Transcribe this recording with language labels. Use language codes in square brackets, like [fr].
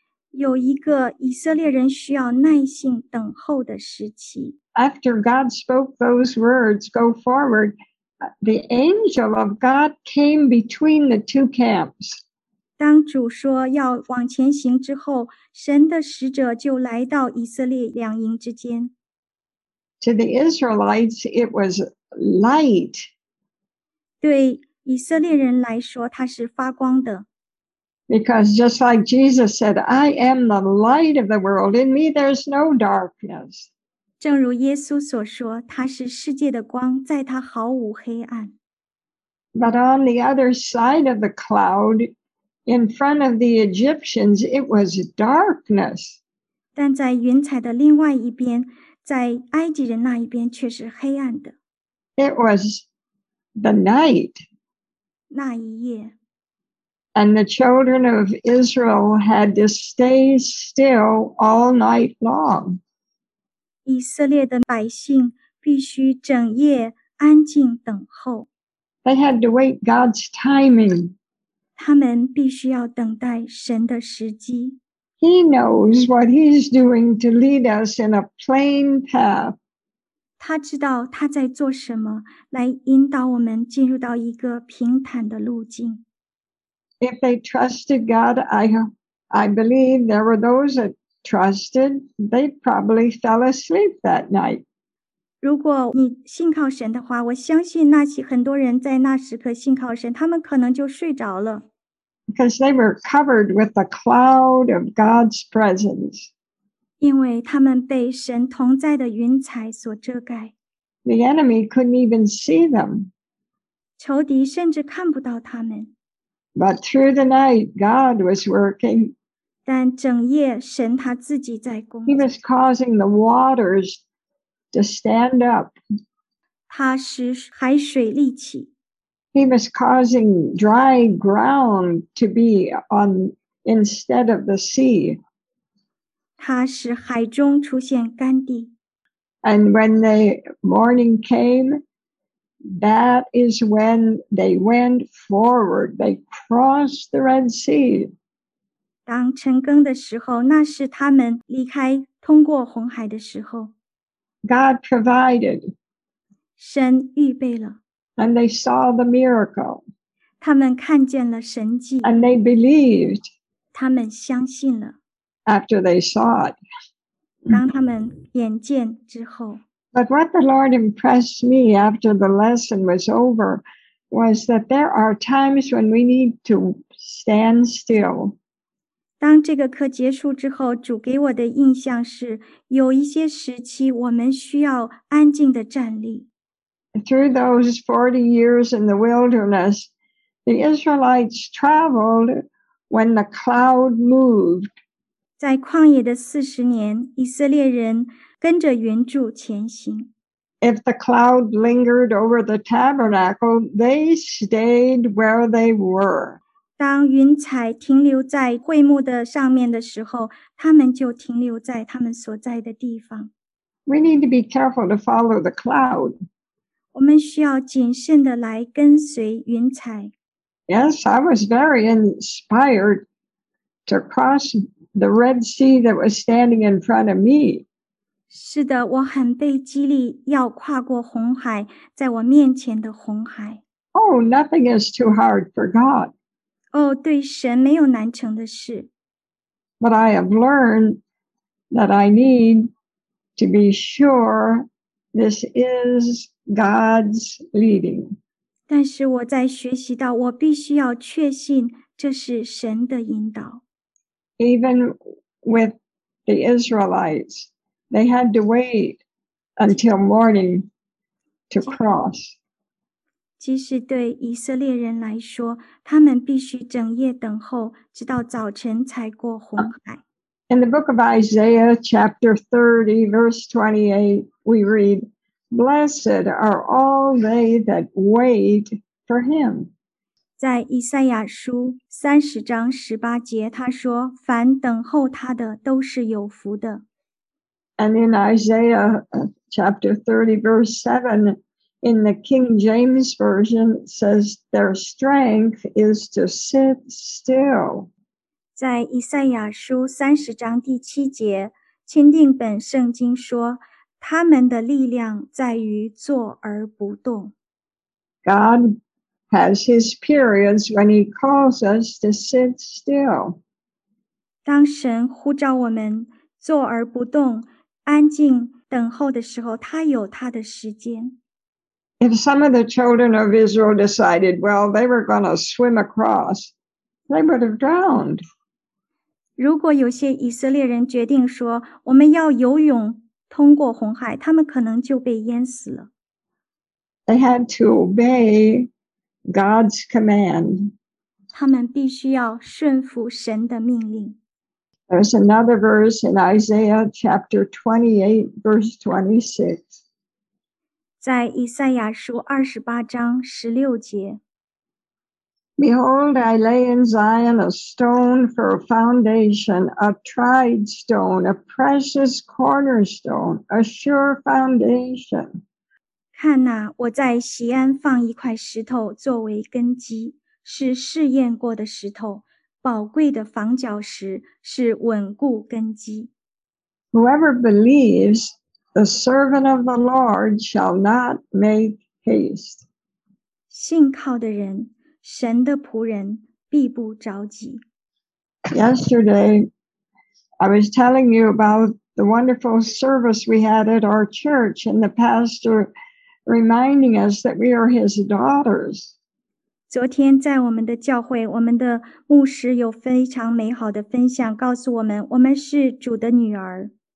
[zh] 有一个以色列人需要耐心等候的时期。 [en] After God spoke those words, go forward, the angel of God came between the two camps. [zh] 当主说要往前行之后，神的使者就来到以色列两营之间。 [en] To the Israelites, it was light. [zh] 对以色列人来说，它是发光的。 [en] Because just like Jesus said, I am the light of the world. In me, there's no darkness. [zh] 正如耶稣所说，他是世界的光，在他毫无黑暗。 [en] But on the other side of the cloud, in front of the Egyptians, it was darkness. [zh] 但在云彩的另外一边，在埃及人那一边却是黑暗的。 [en] It was the night. [zh] 那一夜。 [en] And the children of Israel had to stay still all night long. [zh] 以色列的百姓必须整夜安静等候。 [en] They had to wait God's timing. [zh] 他们必须要等待神的时机。 [en] He knows what he's doing to lead us in a plain path. [zh] 他知道他在做什么，来引导我们进入到一个平坦的路径。 [en] If they trusted God, I believe there were those that trusted, they probably fell asleep that night. [zh] 如果你信靠神的话，我相信那些很多人在那时刻信靠神，他们可能就睡着了。 [en] Because they were covered with the cloud of God's presence. [zh] 因为他们被神同在的云彩所遮盖。 [en] The enemy couldn't even see them. [zh] 仇敌甚至看不到他们。 [en] But through the night, God was working. [zh] 但整夜神他自己在工作。 [en] He was causing the waters to stand up. [zh] 他使海水立起。 [en] He was causing dry ground to be on instead of the sea. [zh] 他使海中出现干地。 [en] And when the morning came, that is when they went forward. They crossed the Red Sea. [zh] 当晨更的时候，那是他们离开通过红海的时候。 [en] God provided. [zh] 神预备了。 [en] And they saw the miracle. [zh] 他们看见了神迹。 [en] And they believed. [zh] 他们相信了。 [en] After they saw it. [zh] 当他们眼见之后。 [en] But what the Lord impressed me after the lesson was over was that there are times when we need to stand still. [zh] 当这个课结束之后，主给我的印象是，有一些时期我们需要安静的站立。 [en] Through those 40 years in the wilderness, the Israelites traveled when the cloud moved. [zh] 在旷野的40年，以色列人跟着云柱前行。 [en] If the cloud lingered over the tabernacle, they stayed where they were. [zh] 当云彩停留在会幕的上面的时候，他们就停留在他们所在的地方。 [en] We need to be careful to follow the cloud. [zh] 我们需要谨慎地来跟随云彩。 [en] Yes, I was very inspired to cross the Red Sea that was standing in front of me. [zh] 是的，我很被激励要跨过红海，在我面前的红海。 [en] Oh, nothing is too hard for God. [zh] 哦，对神没有难成的事。 [en] But I have learned that I need to be sure this is God's leading. [zh] 但是我在学习到，我必须要确信这是神的引导。 [en] Even with the Israelites, they had to wait until morning to cross. [zh] 即使对以色列人来说，他们必须整夜等候，直到早晨才过红海。 [en] In the book of Isaiah, chapter 30, verse 28, we read, Blessed are all they that wait for him. [zh] 在以赛亚书30章18节，他说，凡等候他的都是有福的。 [en] And in Isaiah, chapter 30, verse 7, in the King James Version, says, Their strength is to sit still. [zh] 在以赛亚书30章第7节，钦定本圣经说，他们的力量在于坐而不动。 [en] God has his periods when he calls us to sit still. [zh] 当神呼召我们坐而不动，安静等候的时候，他有他的时间。 [en] If some of the children of Israel decided, well, they were going to swim across, they would have drowned. [zh] 如果有些以色列人决定说，我们要游泳通过红海，他们可能就被淹死了。 [en] They had to obey God's command. [zh] 他们必须要顺服神的命令。 [en] There's another verse in Isaiah chapter 28, verse 26. [zh] 在以赛亚书28章16节。 [en] Behold, I lay in Zion a stone for a foundation, a tried stone, a precious cornerstone, a sure foundation. [zh] 看哪，我在锡安放一块石头作为根基，是试验过的石头，宝贵的房角石，是稳固根基。 [en] Whoever believes the servant of the Lord shall not make haste. [zh] 信靠的人，神的仆人必不着急。 [en] Yesterday, I was telling you about the wonderful service we had at our church and the pastor reminding us that we are his daughters. [zh] 昨天在我们的教会，我们的牧师有非常美好的分享，告诉我们，我们是主的女儿。